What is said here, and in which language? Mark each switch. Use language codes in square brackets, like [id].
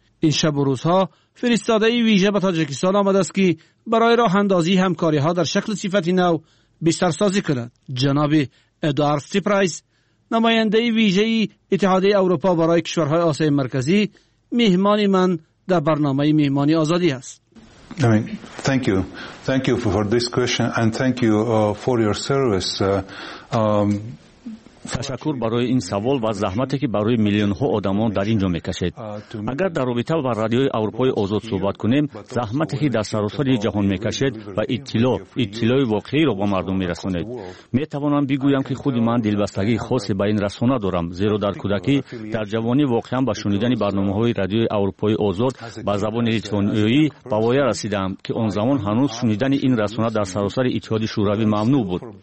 [fa] این شب و روزها فرستاده ویژه به تاجیکستان آمده است که برای راه اندازی همکاری ها در شکل صفت نو بیشتر سازی کند. جناب ادوارد سیپرایس نماینده ویژه اتحادیه اروپا برای کشورهای آسیای مرکزی مهمان من در برنامه مهمانی آزادی است. [en] Thank you for this question and thank you for your service. [fa] تشکر برای این سوال و زحمتی که برای میلیون ها آدمان در اینجا میکشید. اگر در رابطه با رادیو اروپای آزاد صحبت کنیم، زحمتی که در سراسر جهان میکشید و اطلاع واقعی را به مردم میرسانید. میتوانم بگویم که خود من دلبستگی خاصی به این رسانه دارم، زیرا در کودکی در جوانی واقعا به شنیدن برنامه های رادیو اروپای آزاد به زبان لیتوانیایی بوایا رسیدم که آن زمان هنوز شنیدن این رسانه در سراسر اتحاد شوروی ممنوع بود.